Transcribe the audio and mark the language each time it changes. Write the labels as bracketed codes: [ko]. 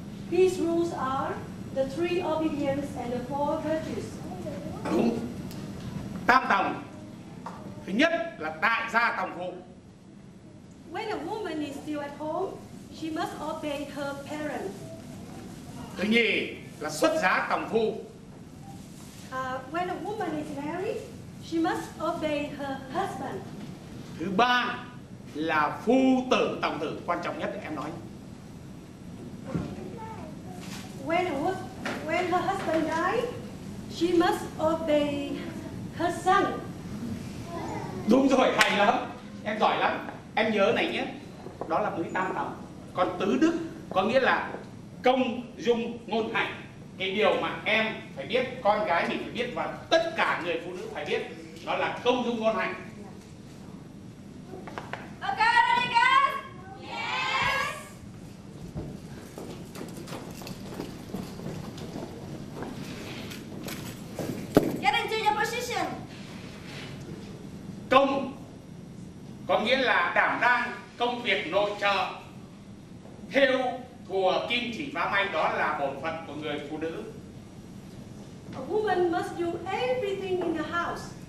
[en] These rules are the three obedience and the four virtues. [vi] Đúng. Tam tòng. Thứ nhất là đại gia tòng phụ. [en] When a woman is still at home, she must obey her parents. [vi] Thứ nhì là xuất giá tòng phụ. [en] When a woman is married, she must obey her husband. [vi] Thứ ba là phu tử tòng tử, quan trọng nhất em nói. [en] When her husband dies, she must obey her son. [vi] Đúng rồi, hay lắm, em giỏi lắm. Em nhớ này nhé, đó là mới tam tòng. Còn tứ đức có nghĩa là công, dung, ngôn, hạnh. Cái điều mà em phải biết, con gái mình phải biết và tất cả người phụ nữ phải biết, đó là công, dung, ngôn, hạnh. [en] Okay, ready, guys? Yes! Get into your position. [vi] Công có nghĩa là đảm đang công việc nội trợ. Thêu, thùa, kim chỉ vá may, đó là bổn phận của người phụ nữ. [en] A woman must do everything in the house.